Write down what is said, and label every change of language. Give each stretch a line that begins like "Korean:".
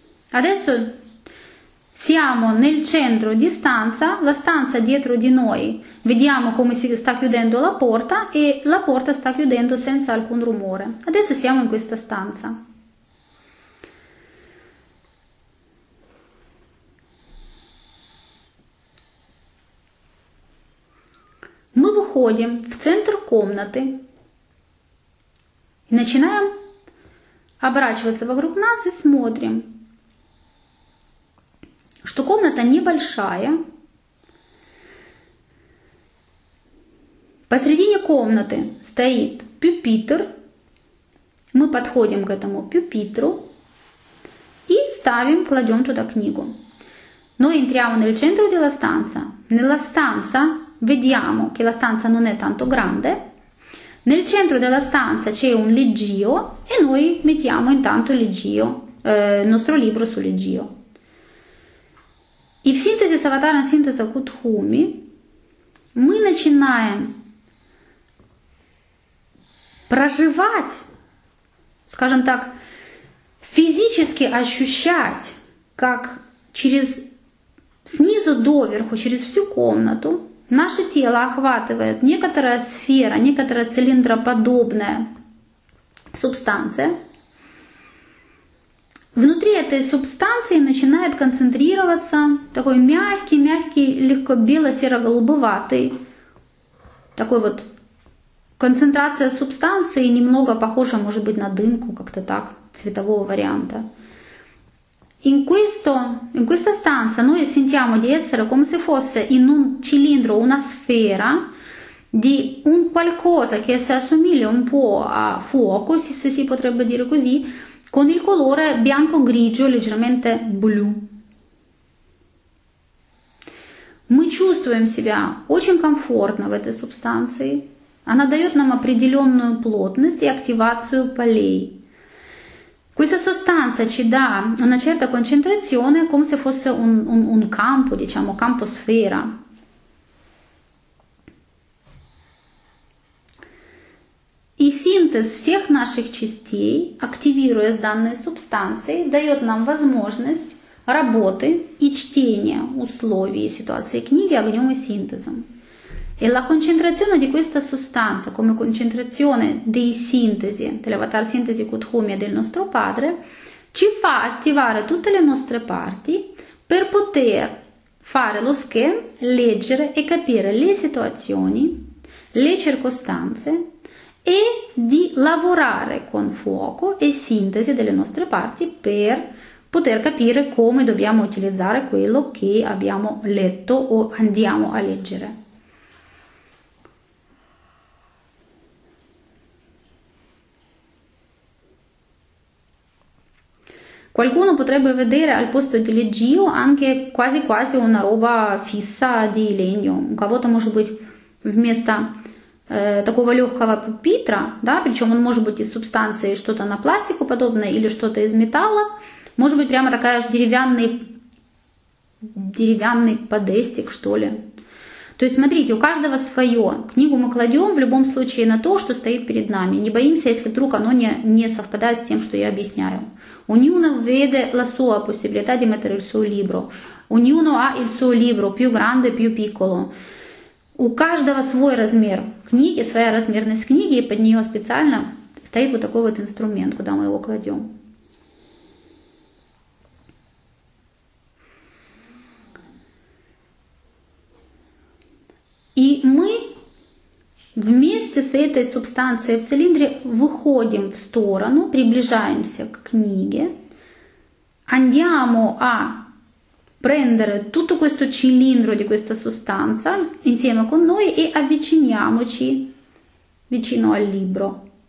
Italian: Adesso siamo nel centro di stanza, la stanza dietro di noi. Vediamo come si sta chiudendo la porta e la porta sta chiudendo senza alcun rumore. Adesso siamo in questa stanza.
Russian: Мы выходим в центр комнаты и начинаем оборачиваться вокруг нас и смотрим, что комната небольшая. Посредине комнаты стоит пюпитр. Мы подходим к этому пюпитру и ставим, кладем туда книгу.
Italian: Noi entriamo nel centro della stanza. Nella stanza vediamo che la stanza non è tanto grande. Nel centro della stanza c'è un leggio e noi mettiamo intanto il nostro libro sul leggio.
Russian: И в синтезе с аватаром синтеза Кутхуми мы начинаем проживать, скажем так, физически ощущать, как через снизу доверху, через всю комнату, наше тело охватывает некоторая сфера, некоторая цилиндроподобная субстанция. Внутри этой субстанции начинает концентрироваться такой мягкий, легко бело-серо-голубоватый, такой вот концентрация субстанции, немного похожа, может быть, на дымку, как-то так, цветового варианта.
Italian: In questa stanza noi sentiamo di essere come se fosse in un cilindro, una sfera di un qualcosa che si assomiglia un po' a fuoco, se si potrebbe dire così, con il colore bianco-grigio, leggermente blu.
Russian: Мы чувствуем себя очень комфортно в этой субстанции. Она дает нам определенную плотность и активацию полей.
Italian: Questa sostanza ci dà una certa concentrazione come se fosse un campo, diciamo, campo sfera.
Russian: И синтез всех наших частей, активируя данные субстанции, дает нам возможность работы и чтения условий и ситуации книги огнем и синтезом.
Italian: E la concentrazione di questa sostanza come concentrazione dei sintesi, dell'avatar sintesi Kuthumi e del nostro padre, ci fa attivare tutte le nostre parti per poter fare lo scan, leggere e capire le situazioni, le circostanze e di lavorare con fuoco e sintesi delle nostre parti per poter capire come dobbiamo utilizzare quello che abbiamo letto o andiamo a leggere. Qualcuno potrebbe vedere al posto di leggio anche quasi una roba fissa di legno.
Russian: У кого-то может быть вместо такого легкого пупитра, да, причем он может быть из субстанции что-то на пластику подобное или что-то из металла, может быть прямо такая же деревянный подестик, что ли. То есть смотрите, у каждого свое. Книгу мы кладем в любом случае на то, что стоит перед нами. Не боимся, если вдруг оно не совпадает с тем, что я объясняю.
Italian: Ognuno vede la sua possibilità di mettere il suo libro. Ognuno ha il suo libro, più grande, più piccolo.
Russian: У каждого свой размер книги, своя размерность книги, и под нее специально стоит вот такой вот инструмент, куда мы его кладем. И мы вместе с этой субстанцией в цилиндре выходим в сторону, приближаемся к книге.
Italian: Andiamo a prendere tutto questo cilindro di questa sostanza insieme con noi e avviciniamoci vicino al libro.